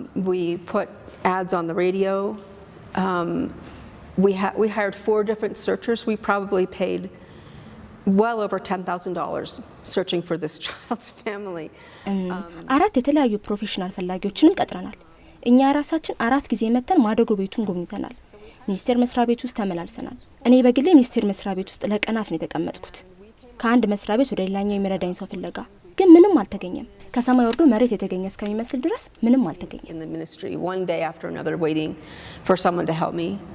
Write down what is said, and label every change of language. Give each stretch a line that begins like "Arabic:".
English: We put ads on the radio. We hired 4 different searchers. We probably paid well over $10,000 searching for this child's family.
Amharic: አራት የተለያዩ ፕሮፌሽናል ፈላጊዎችንም ቀጥረናል። እኛ ራሳችን አራት ጊዜ መተን ማደጎ ቤቱን ጎብኝተናል። ሚኒስቴር መስሪያ ቤት ውስጥ ተመላልሰናል። እኔ በግሌ ሚኒስቴር መስሪያ ቤት ውስጥ ለቀናት ነው የተቀመጥኩት። ከአንድ መስሪያ ቤት ወደ ሌላኛው የሚረዳኝ ሰው ፈለጋ፣ ግን ምንም አልተገኘም። ከሰማይ ወርዶ መሬት የተገኘ እስከሚመስል ድረስ ምንም አልተገኘም።
English: In the ministry one day after another waiting for someone to help me.